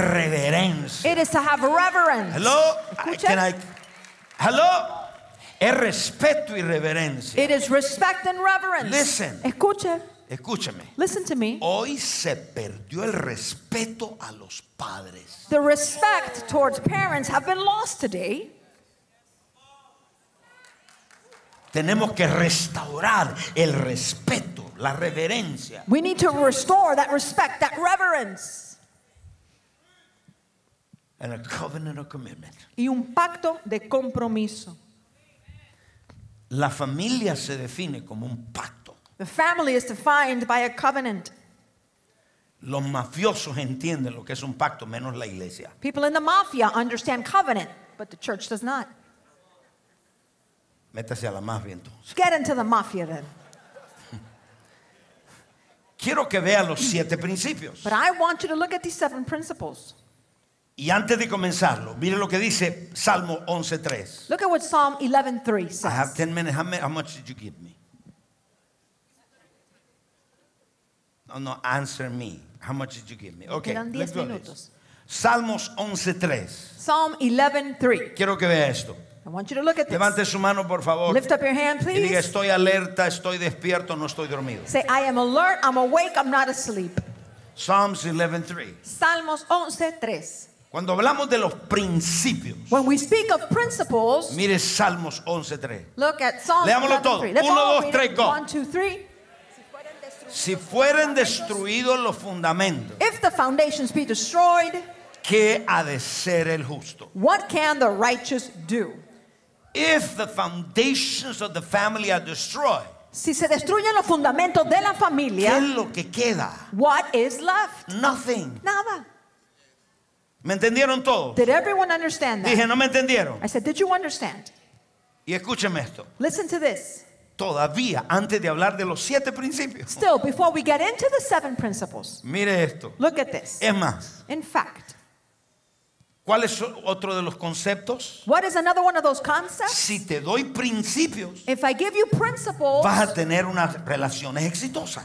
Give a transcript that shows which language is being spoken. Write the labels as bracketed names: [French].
[Spanish] Reverencia. [English] It is to have reverence. Hello. Can I? Hello. [Spanish] Es respeto y reverencia. [English] It is respect and reverence. Listen. [Spanish] Escuche. Escúcheme. [English] Listen to me. [Spanish] Hoy se perdió el respeto a los padres. [English] The respect towards parents have been lost today. [Spanish] Tenemos que restaurar el respeto, la reverencia. [English] We need to restore that respect, that reverence. And a covenant of commitment. [Spanish] Y un pacto de compromiso. La familia se define como un pacto. [English] The family is defined by a covenant. [Spanish] Los mafiosos entienden lo que es un pacto, menos la iglesia. [English] People in the mafia understand covenant, but the church does not. [Spanish] Métase a la mafia entonces. [English] Get into the mafia then. [Spanish] Quiero que vea los siete principios. [English] But I want you to look at these seven principles. [Spanish] Y antes de comenzarlo, mire lo que dice Salmo 11:3. [English] Look at what Psalm 11:3 says. I have 10 minutes. How much did you give me? No, answer me. How much did you give me? Okay. [Spanish] Quedan 10 minutos. Salmos 11:3. [English] Psalm 11:3. [Spanish] Quiero que vea esto. [English] I want you to look at this. [Spanish] Levante su mano, por favor. [English] Lift up your hand, please. [Spanish] Y diga, estoy alerta, estoy despierto, no estoy dormido. [English] Say, I am alert, I'm awake, I'm not asleep. Psalms 11:3. [Spanish] Salmos 11:3. Cuando hablamos de los principios. [English] When we speak of principles. [Spanish] Mire Salmos 11:3. [English] Look at Psalms 11:3. [Spanish] Leámoslo todo. 1, 2, 3, go. 1, 2, 3. Si fueren destruidos los fundamentos. [English] If the foundations be destroyed. [Spanish] ¿Qué ha de ser el justo? [English] What can the righteous do? If the foundations of the family are destroyed. [Spanish] Si se destruyen los fundamentos de la familia. ¿Qué es lo que queda? [English] What is left? Nothing. [Spanish] Nada. ¿Me entendieron todos? [English] Did everyone understand that? [Spanish] Dije, no me entendieron. [English] I said, did you understand? [Spanish] Y escúcheme esto. [English] Listen to this. [Spanish] Todavía, antes de hablar de los siete principios. [English] Still, before we get into the seven principles. [Spanish] Mire esto. [English] Look at this. [Spanish] Es más. [English] In fact. [Spanish] ¿Cuál es otro de los conceptos? [English] What is another one of those concepts? [Spanish] Si te doy principios. [English] If I give you principles. [Spanish] Vas a tener unas relaciones exitosas.